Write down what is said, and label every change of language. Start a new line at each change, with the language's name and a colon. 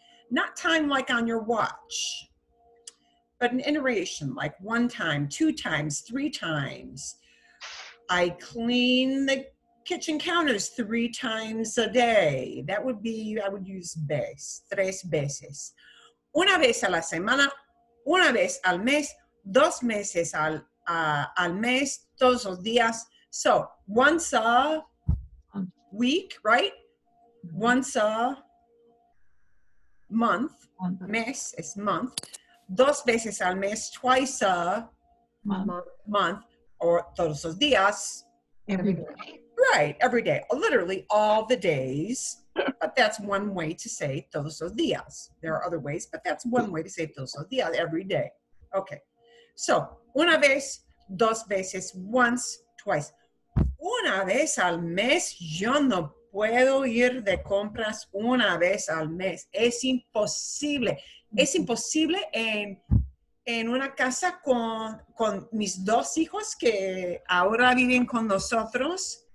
English: Not time like on your watch, but an iteration, like one time, two times, three times. I clean the kitchen counters three times a day. That would be, I would use veces,
Spanish: tres veces. Una vez a la semana, una vez al mes, dos meses al mes, todos los días.
English: So once a week, right? Once a month, mes is month.
Spanish: Dos veces al mes,
English: twice a month,
Spanish: or todos los días.
English: Every day. Right, every day. Literally all the days, but that's one way to say
Spanish: todos los días.
English: There are other ways, but that's one way to say
Spanish: todos los días,
English: every day. Okay, so
Spanish: una vez, dos veces,
English: once, twice.
Spanish: Una vez al mes, yo no puedo ir de compras una vez al mes. Es imposible. Es imposible en una casa con mis dos hijos que ahora viven con nosotros.